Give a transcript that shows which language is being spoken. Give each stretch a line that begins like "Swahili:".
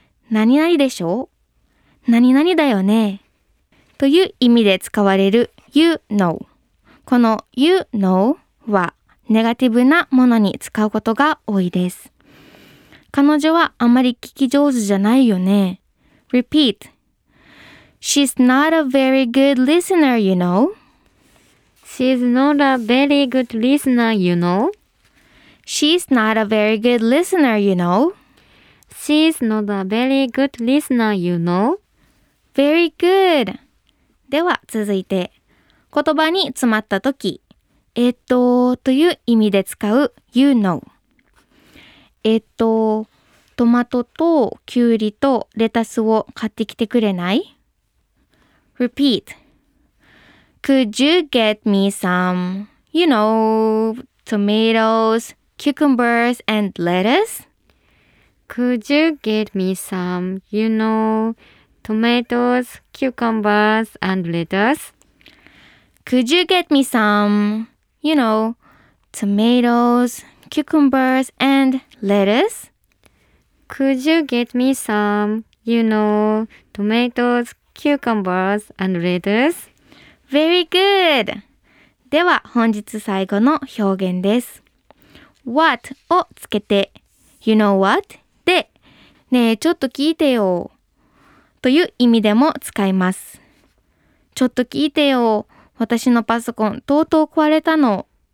Japanese: 何々でしょ？何々だよね？という意味で使われる You know。この You know はネガティブなものに使うことが多いです。彼女はあまり聞き上手じゃないよね。
English: Repeat。 She's not a very good listener, you know. She's not a very good listener, you know. She's not a very good listener, you know. She's not a very good listener, you know. Very good.
Japanese: では続いて、言葉に詰まった時、という意味で使う You know。トマトとキュウリとレタスを買ってきてくれない？
English: Repeat。 Could you get me some, you know, tomatoes, cucumbers and lettuce? Could you get me some, you know, tomatoes, cucumbers and lettuce? Could you get me some, you know, tomatoes, cucumbers and lettuce? Could you get me some, you know, tomatoes, cucumbers, and lettuce? Very good!
Japanese: では本日最後の表現です。
English: What
Japanese: をつけて、
English: You know what?
Japanese: で、ねえ、ちょっと聞いてよ。という意味でも使います。ちょっと聞いてよ。私のパソコンとうとう壊れたの。